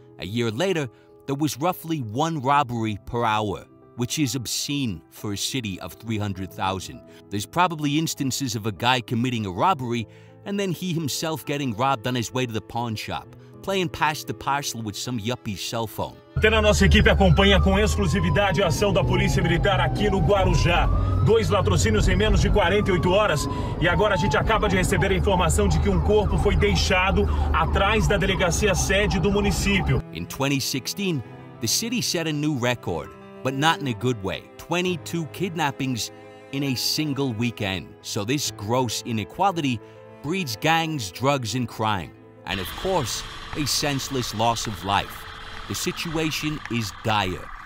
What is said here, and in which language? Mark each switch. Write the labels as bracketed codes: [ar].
[en] A year later, there was roughly one robbery per hour, which is obscene for a city of 300,000. There's probably instances of a guy committing a robbery and then he himself getting robbed on his way to the pawn shop, playing past the parcel with some yuppie's cell phone. [pt] Até na nossa equipe acompanha com exclusividade a ação da Polícia Militar aqui no Guarujá. Dois latrocínios em menos de 48 horas e agora a gente acaba de receber a informação de que corpo foi deixado atrás da delegacia sede do município. [en] In 2016, the city set a new record, but not in a good way. 22 kidnappings in a single weekend. So this gross inequality breeds gangs, drugs and crime. And of course, a senseless loss of life. The situation is dire.